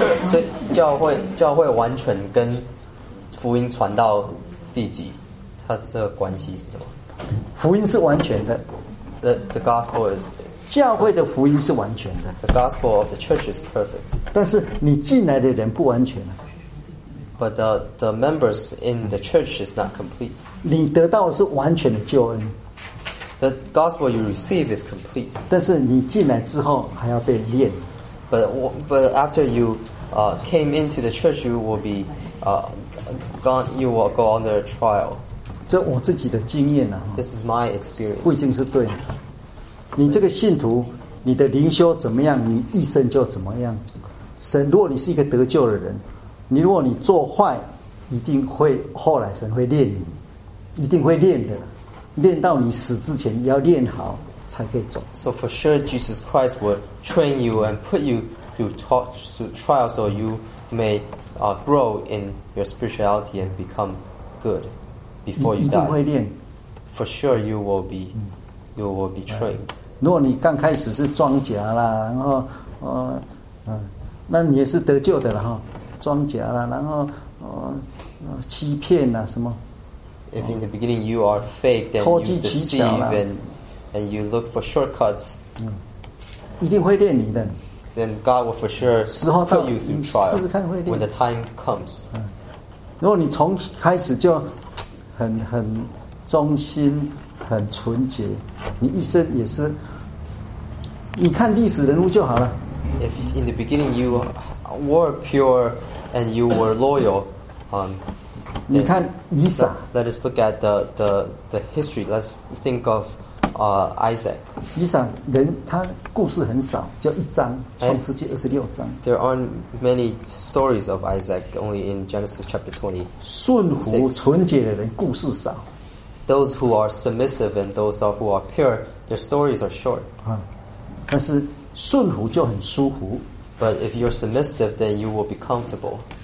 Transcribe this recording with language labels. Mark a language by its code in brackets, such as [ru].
[zh] 所以教会完全跟福音传到地极，它这个关系是什么？福音是完全的。 [en] The gospel is [zh] 教会的福音是完全的。 [en] The gospel of the church is perfect. [zh] 但是你进来的人不完全啊。 [en] But the members in the church is not complete. [zh] 你得到的是完全的救恩。 [en] The gospel you receive is complete. [zh] 但是你进来之后还要被炼。 [en] But after you came into the church, you will be gone. You will go under a trial. [zh] 这我自己的经验啊。 [en] This is my experience. [zh] 不一定是对的。你这个信徒，你的灵修怎么样，你一生就怎么样。神，如果你是一个得救的人，你如果你做坏，一定会后来神会炼你，一定会炼的，炼到你死之前要炼好。 [en] So for sure, Jesus Christ will train you and put you through trials so you may grow in your spirituality and become good before you die. [zh] 一定会练。 [en] For sure, you will be trained. [zh] 如果你刚开始是装甲啦，然后那你也是得救的了哈，装甲啦，然后欺骗啦什么。 [en] If in the beginning you are fake, then you deceive and you look for shortcuts, [zh] 一定会练你的。 [en] Then God will for sure put you through trial [zh] 试试看会练 [en] when the time comes. [zh] 如果你从开始就很忠心、很纯洁，你一生也是。你看历史人物就好了。 [en] If in the beginning you were pure and you were loyal, [zh] 你看以撒。 [en] Let us look at the history. Let's think of. Isaac. [zh] 以撒人他故事很少，就一章，创世纪二十六章。 [en] There aren't many stories of Isaac, only in Genesis chapter 20. [zh] 顺服纯洁的人故事少。 [en] Those who are submissive and those who are pure, their stories are short. [zh] 但是顺服就很舒服。 [en] But if you're submissive, then you will be comfortable.